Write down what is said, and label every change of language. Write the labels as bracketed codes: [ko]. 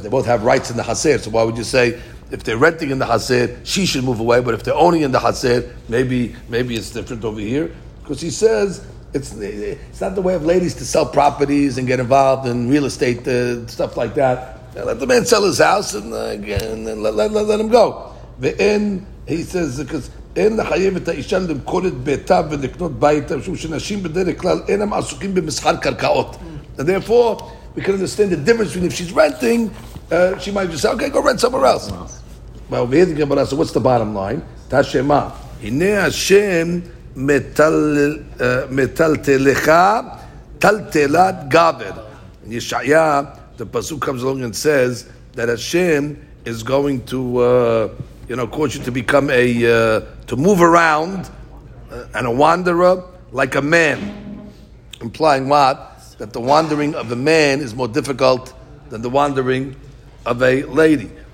[en] They both have rights in the Hasir. So why would you say, if they're renting in the Hasir, she should move away. But if they're owning in the Hasir, maybe it's different over here. Because he says, it's not the way of ladies to sell properties and get involved in real estate, stuff like that. Now let the man sell his house and let him go. V'in, he says, because [he] אין לחייב את האישה למכור את ביתה ולקנות ביתה, משום שנשים בדרך כלל אינם עסוקים במסחר קרקעות. [en] And therefore, we can understand the difference between if she's renting, she might just say, okay, go rent somewhere else. Well, we hear the Gemara, so what's the bottom line? [he] תשמה, הנה השם מטלטלך טלטלת גבר. [en] And ישעיה, the pasuk comes along and says that Hashem is going to... cause you to become to move around and a wanderer like a man. Implying what? That the wandering of a man is more difficult than the wandering of a lady.